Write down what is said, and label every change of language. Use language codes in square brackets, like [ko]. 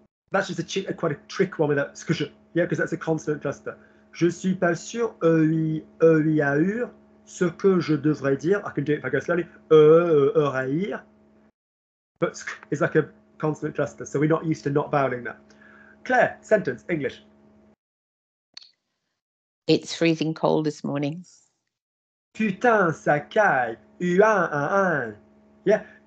[en] That's just quite a trick one with that. Yeah, because that's a consonant cluster. [fr] Je suis pas sûr ce que je devrais dire. [en] I can do it if I go slowly. But it's like a consonant cluster, so we're not used to not vowelling that. Claire, sentence, English. It's freezing cold this morning. [fr] Putain, ça caille. Yeah.